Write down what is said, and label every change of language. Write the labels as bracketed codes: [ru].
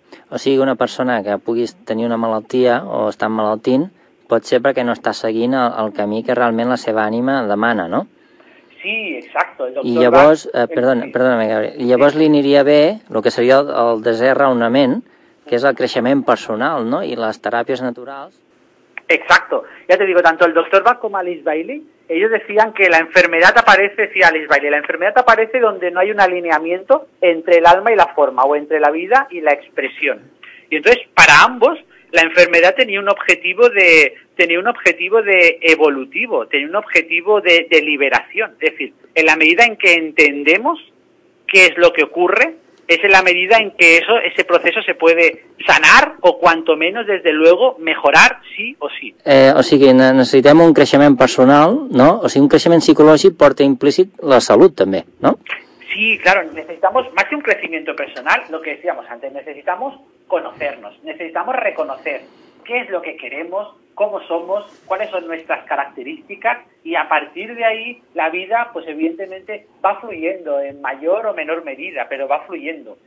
[ca] O sigui, una persona que pugui tenir una malaltia o està malaltint pot ser perquè no està seguint el camí que realment la seva ànima demana, no? [es] Sí, exacto. [ca] I llavors, llavors li aniria bé el que seria el desè raonament, que és el creixement personal, no? I les teràpies naturals. [es] Exacto. Ya te digo, tanto el doctor Bach como Alice Bailey, ellos decían que la enfermedad aparece, sí, Alice Bailey, la enfermedad aparece donde no hay un alineamiento entre el alma y la forma, o entre la vida y la expresión. Y entonces, para ambos, la enfermedad tenía un objetivo evolutivo, tenía un objetivo de liberación. Es decir, en la medida en que entendemos qué es lo que ocurre, es en la medida en que ese proceso se puede sanar o, cuanto menos, desde luego, mejorar, sí o sí. [ca] O sigui, necessitem un creixement personal, ¿no? O sigui, un creixement psicològic porta implícit la salut, també, ¿no? [es] Sí, claro, necesitamos más que un crecimiento personal, lo que decíamos antes, necesitamos conocernos, necesitamos reconocer qué es lo que queremos, cómo somos, cuáles son nuestras características, y a partir de ahí la vida, pues evidentemente, va fluyendo en mayor o menor medida, pero va fluyendo.